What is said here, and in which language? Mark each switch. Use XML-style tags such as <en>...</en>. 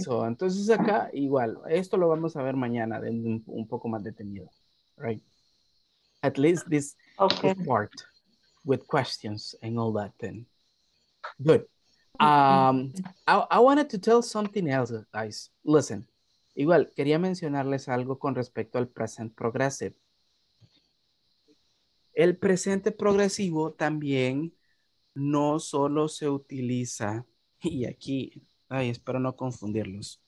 <es>So, entonces acá igual, esto lo vamos a ver mañana de un poco más detenido, right?</es> <en>At least this, okay, this part with questions and all that then. Good. I wanted to tell something else, guys.</en> <es>Listen, igual quería mencionarles algo con respecto al present progressive. El presente progresivo también no solo se utiliza, y aquí, ay, espero no confundirlos.</es>